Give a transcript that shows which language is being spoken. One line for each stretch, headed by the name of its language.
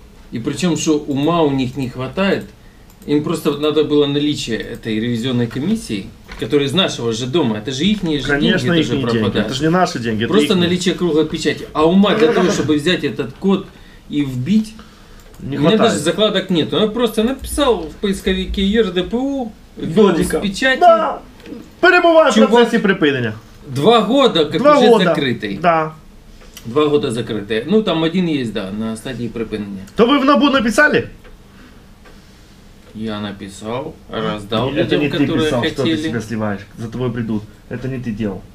Russian: И причем, что ума у них не хватает, им просто надо было наличие этой ревизионной комиссии, которая из нашего же дома, это же их же конечно, деньги тоже пропадают. Деньги. Это же не наши деньги. Просто наличие круглой печати. А ума для того, чтобы взять этот код и вбить, Не хватает. У меня даже закладок нету. Я просто написал в поисковике ЄРДПУ, ввел в печати. Да.
Ukrainian: Перебуває в процесі припинення.
Russian: Два года, как два уже года.
Ukrainian: Закритий.
Russian: Да. Два года закритий. Ну, там один есть, да, на стадии припинення.
Ukrainian: То ви в НАБУ написали?
Russian: Я написал, раздал людям, которые хотели. Это не ты писал, хотели. Что ты себя сливаешь. За тобой придут. Это не ты делал.